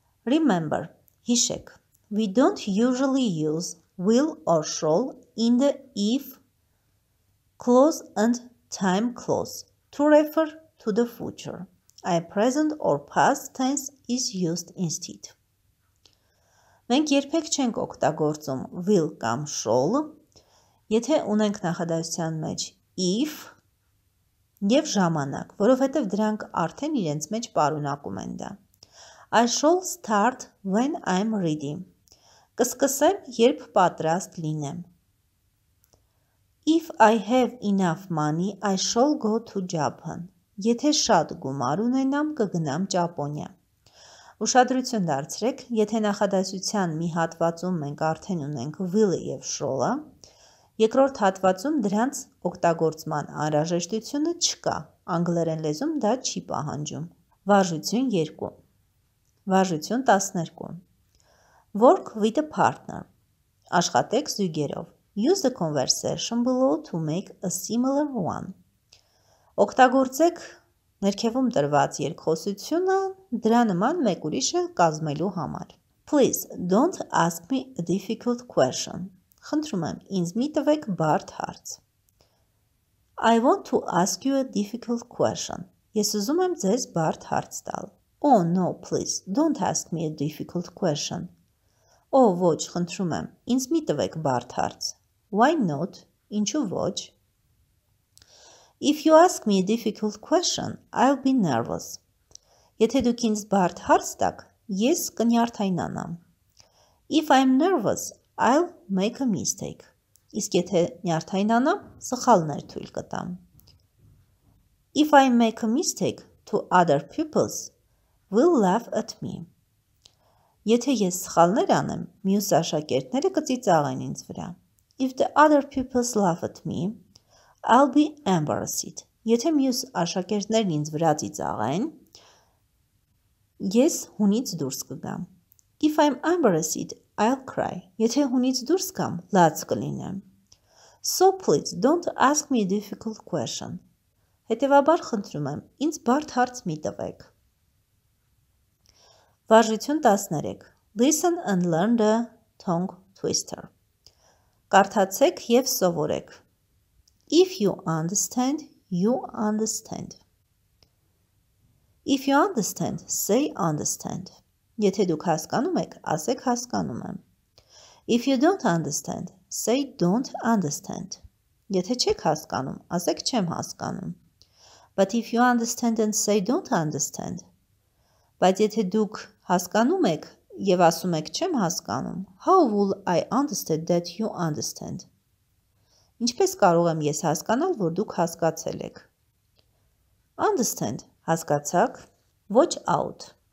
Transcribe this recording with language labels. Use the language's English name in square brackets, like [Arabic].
[English] Remember, [Armenian] հիշեք, [English] we don't usually use will or shall in the if clause and time clause to refer to the future. A present or past tense is used instead. [Armenian] Մենք երբեք չենք օգտագործում will կամ shall, եթե ունենք նախադասության մեջ if և ժամանակ, որովհետև դրանք արդեն իրենց մեջ պարունակում են դա. [English] I shall start when I'm ready. [Armenian] Կսկսեմ, երբ պատրաստ լինեմ. [English] If I have enough money, I shall go to Japan. [Armenian] Եթե շատ գումար ունենամ, կգնամ Ճապոնիա։ Ուշադրություն դարձրեք, եթե նախադասության մի հատվածում մենք արդեն ունենք will-ը եւ shall-ը, երկրորդ հատվածում դրանց օգտագործման անհրաժեշտությունը չկա։ Անգլերեն լեզում դա չի պահանջում։ Վարժություն 2։ Վարժություն 12։ [English] Work with a partner. [Armenian] Աշխատեք զույգերով. [English] Use the conversation below to make a similar one. [Armenian] Օգտագործեք ներքևում տրված երկխոսությունը դրա նման մեկ ուրիշը կազմելու համար. [English] Please don't ask me a difficult question. [Armenian] Խնդրում եմ, ինձ մի տվեք բարդ հարց. [English] I want to ask you a difficult question. [Armenian] Ես ուզում եմ ձեզ բարդ հարց տալ. [English] Oh no, please don't ask me a difficult question. [Armenian] Oh, ոչ, խնդրում եմ, ինձ մի տվեք բարդ հարց. [English] Why not? [Armenian] Ինչու ոչ? [English] If you ask me a difficult question, I'll be nervous. [Armenian] Եթե դուք ինձ բարդ հարց տաք, ես կնյարդայնանամ. [English] If I'm nervous, I'll make a mistake. [Armenian] Իսկ եթե նյարդայնանամ, սխալներ թույլ կտամ. [English] If I make a mistake to other pupils, will laugh at me. [Armenian] Եթե ես սխալներ անեմ, մյուս աշակերտները կծիծաղեն ինձ վրա. [English] If the other pupils laugh at me, I'll be embarrassed. [Armenian] Եթե մյուս աշակերտներն ինձ վրա ծիծաղեն, ես հունից դուրս կգամ. [English] If I'm embarrassed, I'll cry. [Armenian] Եթե հունից դուրս կամ, լաց կլինեմ. [English] So please, don't ask me a difficult question. [Armenian] Հետևաբար խնդրում եմ, ինձ բարդ հարց մի տվեք. Վարժություն 13. [English] Listen and learn the tongue twister. [Armenian] Կարդացեք և սովորեք. [English] If you understand, you understand. If you understand, say understand. [Armenian] Եթե դուք հասկանում եք, ասեք հասկանում եմ. [English] If you don't understand, say don't understand. [Armenian] Եթե չեք հասկանում, ասեք չեմ հասկանում. [English] But if you understand and say don't understand. [Armenian] Բայց եթե դուք հասկանում եք և ասում եք չեմ հասկանում, [English] how will I understand that you understand? [Armenian] Ինչպես կարող եմ ես հասկանալ, որ դուք հասկացել եք? [English] Understand, [Armenian] հասկացակ, [English] watch out.